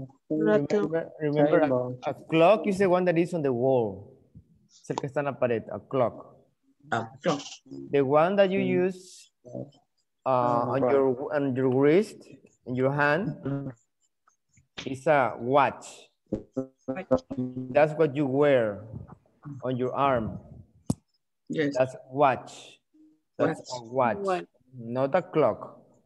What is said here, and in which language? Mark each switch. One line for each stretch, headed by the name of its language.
English: Remember a clock is the one that is on the wall.
Spanish: Es el que está en la pared,
English: a clock. A clock. The one that you use on your wrist, in your hand, is a watch. That's what you wear on your arm. Yes. That's watch. That's watch. Not a clock.